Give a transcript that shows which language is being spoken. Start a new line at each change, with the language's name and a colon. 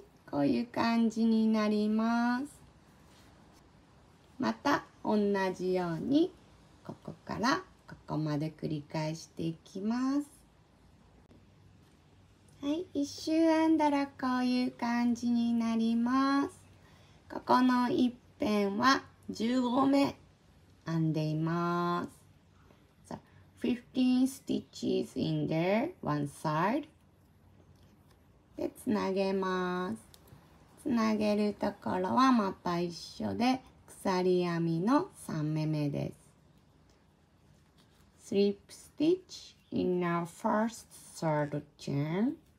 Japanese: こういう感じになります。また同じようにここからここまで繰り返していきます。はい、一周編んだらこういう感じになります。ここの一辺は15目編んでいます。
English: So, 15 stitches in there, one side.
Japanese: で、つなげます。つなげるところはまた一緒で鎖編みの3目目です。
English: Slip stitch in our first third chain.